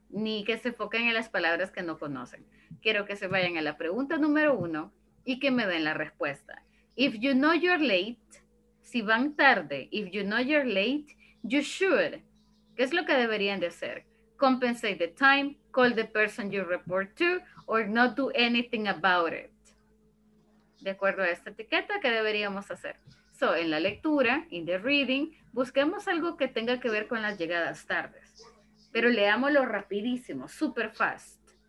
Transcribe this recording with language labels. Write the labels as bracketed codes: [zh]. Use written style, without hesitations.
[es] Ni que se enfoquen en las palabras que no conocen. Quiero que se vayan a la pregunta número 1 y que me den la respuesta. [en] If you know you're late... [es] Si van tarde, [en] if you know you're late, you should. [es] ¿Qué es lo que deberían de hacer? [en] Compensate the time, call the person you report to, or not do anything about it. [es] De acuerdo a esta etiqueta, ¿qué deberíamos hacer? So, en la lectura, [en] in the reading, [es] busquemos algo que tenga que ver con las llegadas tardes. Pero leámoslo rapidísimo, [en] super fast.